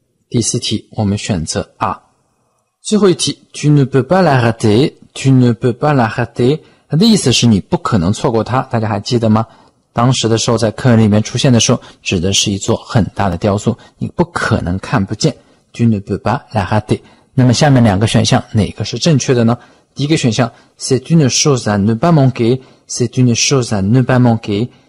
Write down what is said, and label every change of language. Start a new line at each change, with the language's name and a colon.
Chinese: 第四题，我们选择 A。最后一题
French: tu ne peux pas la rater, tu ne peux pas la rater,
Chinese: 它的意思是你不可能错过它，大家还记得吗？当时的时候在课文里面出现的时候指的是一座很大的雕塑，你不可能看不见
French: tu ne peux pas la rater。
Chinese: 那么下面两个选项哪个是正确的呢？第一个选项
French: c'est une chose à ne pas manquer, c'est une chose à ne pas manquer。